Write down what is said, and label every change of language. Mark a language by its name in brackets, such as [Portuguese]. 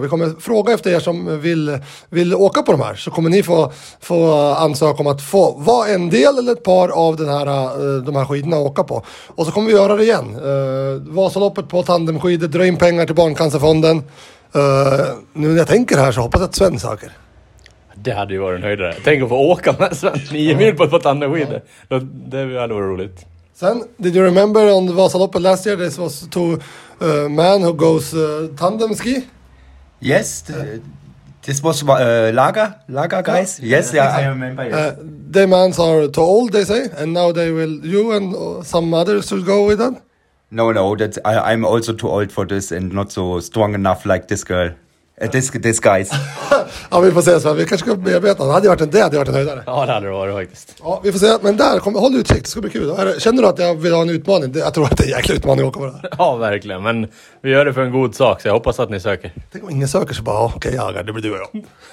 [Swedish] Vi kommer fråga efter er som vill åka på de här. Så kommer ni få ansöka om att få vara en del eller ett par av de här skidorna att åka på. Och så kommer vi göra det igen. Vasaloppet på tandemskidor, dra in pengar till Barncancerfonden. Nu när jag tänker här så hoppas jag att Sven söker. Det hade ju varit en höjdare. Tänk att få åka med Sven 9 mil på ett par tandemskidor. Ja. Det hade varit roligt. [English] Sen, did you remember on the Vasaloppet last year this was to man who goes tandemski? Yes, this was Laga guys. Yeah. Yes, yeah, I remember, yes. The mans are too old, they say, and now they will, you and some others will go with them. No, that's I'm also too old for this and not so strong enough like this girl. This guys. [Swedish] Ja, vi får se, Sven. Vi kanske ska bearbeta. Det hade varit en höjdare. Ja, det hade varit faktiskt. Ja, vi får se. Men där, håll utkik. Det ska bli kul. Känner du att jag vill ha en utmaning? Jag tror att det är en jäkla utmaning att åka på det här. Ja, verkligen. Men vi gör det för en god sak, så jag hoppas att ni söker. Tänk om ingen söker så bara, okej, jagar. Det blir du och jag.